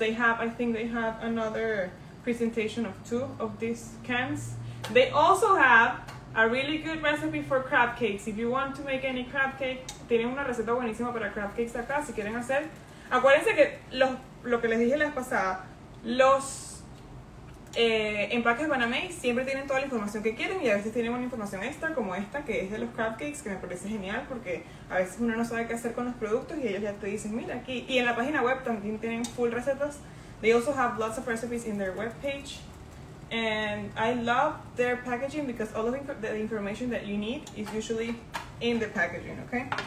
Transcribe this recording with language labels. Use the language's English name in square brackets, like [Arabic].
[English] I think they have another presentation of two of these cans. They also have a really good recipe for crab cakes. If you want to make any crab cake, [Spanish] tienen una receta buenísima para crab cakes acá, si quieren hacer. Acuérdense que lo que les dije la vez pasada, los empaques Panamés siempre tienen toda la información que quieren y a veces tienen una información extra como esta, que es de los crab cakes, que me parece genial porque a veces uno no sabe qué hacer con los productos y ellos ya te dicen, mira aquí. Y en la página web también tienen full recetas. [English] They also have lots of recipes in their webpage. And I love their packaging because all of the information that you need is usually in the packaging, okay?